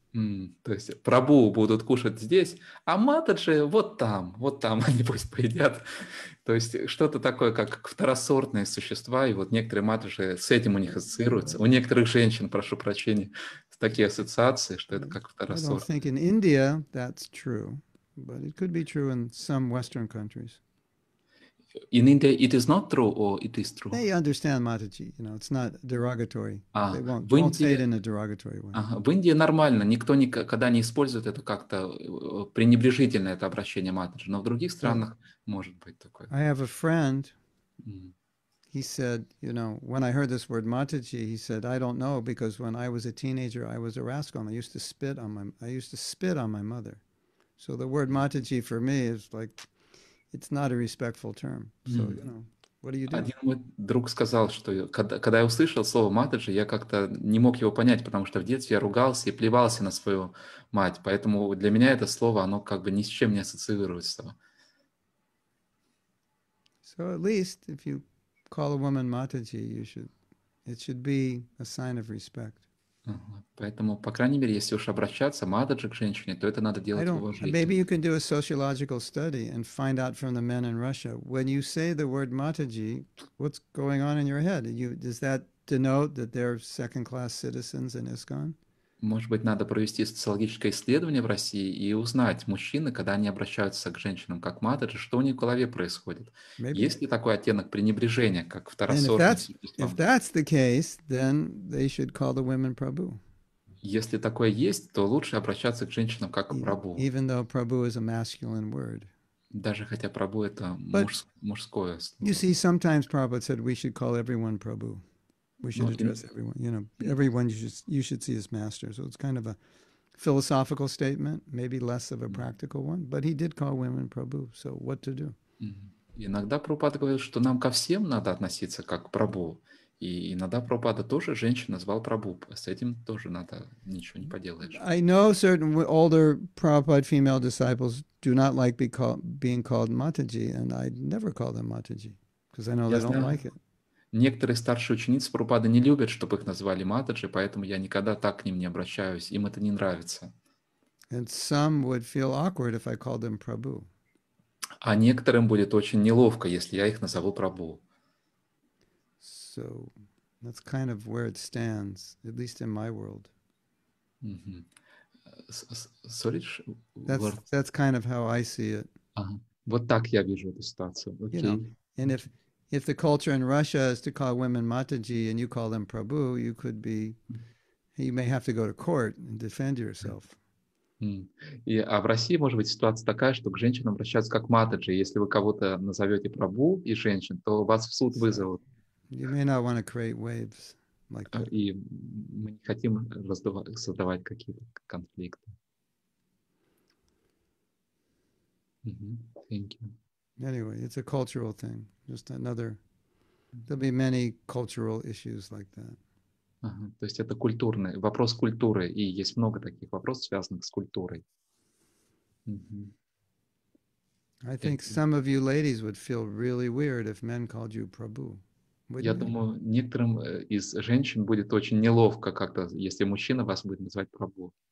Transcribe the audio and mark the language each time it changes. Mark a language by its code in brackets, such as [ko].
[ru] То есть Прабу будут кушать здесь, а Матаджи вот там они пусть поедят. То есть что-то такое, как второсортные существа, и вот некоторые Матаджи с этим у них ассоциируются. У некоторых женщин, прошу прощения, такие ассоциации, что это как второсортные. [en] I don't think in India that's true, but it could be true in some Western countries. In India it is not true or it is true? They understand Mataji, you know, it's not derogatory. They won't say it in a derogatory way. [ru] В Индии нормально, никто никогда не использует это как-то пренебрежительно, это обращение Матаджи, но в других странах может быть такое. [en] I have a friend, he said, you know, when I heard this word Mataji, he said, I don't know, because when I was a teenager, I was a rascal, and I used to spit on my mother. So the word Mataji for me is like, it's not a respectful term. So, you know, what do you do? [ru] Один мой друг сказал, что когда я услышал слово Матаджи, я как-то не мог его понять, потому что в детстве я ругался и плевался на свою мать. Поэтому для меня это слово, оно как бы ни с чем не ассоциируется. [en] So at least if you call a woman Mataji, it should be a sign of respect. [ru] Поэтому, по крайней мере, если уж обращаться Матаджи к женщине, то это надо делать уважительно. [en] Maybe you can do a sociological study and find out from the men in Russia, when you say the word Mataji, what's going on in your head? Does that denote that they're second-class citizens in ISKCON? [ru] Может быть, надо провести социологическое исследование в России и узнать, мужчины, когда они обращаются к женщинам как Матаджи, что у них в голове происходит. [en] Maybe. [ru] Есть ли такой оттенок пренебрежения, как второсортным Прабу. Если такое есть, то лучше обращаться к женщинам как к Прабу. [en] Even though Prabhu is a masculine word. [ru] Даже хотя Прабу — это мужское слово. [en] You see, sometimes Prabhupada said we should call everyone Prabhu. We should address everyone. You know, everyone you should see as master. So it's kind of a philosophical statement, maybe less of a practical one. But he did call women Prabhu. So what to do? [ru] Иногда Прабхупада говорил, что нам ко всем надо относиться как к Прабху. И иногда Прабхупада тоже женщин назвал Прабху. С этим тоже надо ничего не поделаешь. [en] I know certain older Prabhupada female disciples do not like being called Mataji, and I never call them Mataji because I know they don't like it. [ru] Некоторые старшие ученицы Прабхупады не любят, чтобы их назвали Матаджи, поэтому я никогда так к ним не обращаюсь. Им это не нравится. [en] And some would feel awkward if I called them Prabhu. [ru] А некоторым будет очень неловко, если я их назову Прабху. [en] So that's kind of where it stands, at least in my world. Sorry? That's kind of how I see it. [ru] Вот так я вижу эту ситуацию. [en] Okay. You know, and if the culture in Russia is to call women Mataji and you call them Prabhu, you may have to go to court and defend yourself. [ru] И, а в России, может быть, ситуация такая, что к женщинам обращаются как Матаджи. Если вы кого-то назовете Прабу и женщин, то вас в суд вызовут. [en] You may not want to create waves like that. [ru] И мы не хотим создавать какие-то конфликты. [en] Thank you. Anyway, it's a cultural thing. Just another. There'll be many cultural issues like that. [ru] То есть это культурный вопрос культуры, и есть много таких вопросов, связанных с культурой. [en] I think some of you ladies would feel really weird if men called you Prabhu. [ru] Я думаю, некоторым из женщин будет очень неловко как-то, если мужчина вас будет называть Прабу.